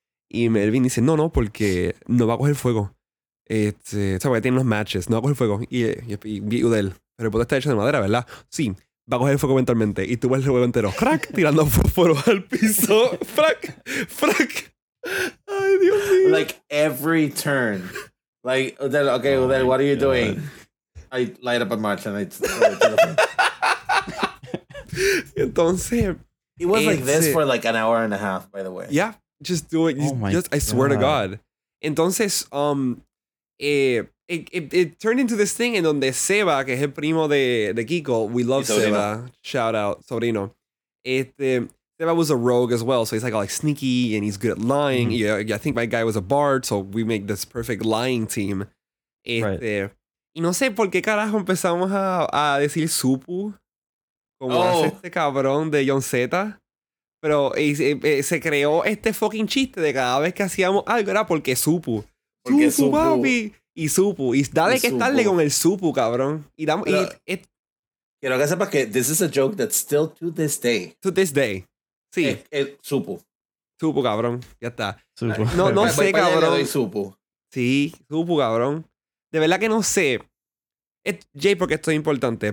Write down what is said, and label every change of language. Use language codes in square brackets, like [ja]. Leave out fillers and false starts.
[es] Y Melvin dice, no, porque no va a coger fuego. O sea, porque tiene los matches, no va a coger fuego. Y Udel, pero el bote está hecho de madera, ¿verdad? Sí, va a coger fuego eventualmente. Y tú ves el juego entero, crack, tirando fósforo al piso. Frack. Ay, Dios mío. [en] Like, every turn. Like, Udel, okay, Udel, what are you doing? I light up a match and I... [es] Entonces, [en] he was like this for like an hour and a half, by the way. Yeah, just do it. I swear to God. Entonces, it turned into this thing in [es] donde Seba, que es el primo de Kiko, [en] we love Seba. Shout out, sobrino. Seba was a rogue as well, so he's like all like sneaky and he's good at lying. Yeah, I think my guy was a bard, so we make this perfect lying team. [es] Y no sé por qué carajo empezamos a decir supu. Como hace este cabrón de John Zeta. Pero se creó este fucking chiste de cada vez que hacíamos algo era porque supo. Porque supo, papi. Y supo. Y dale que estarle con el supo, cabrón. Y damos. Quiero que sepas que [en] this is a joke that's still to this day. To this day. Sí. [es] El supo. Supo, cabrón. Ya está. Supo. No sé, cabrón. Supo. Sí, supo, cabrón. De verdad que no sé. Jay, porque esto es importante.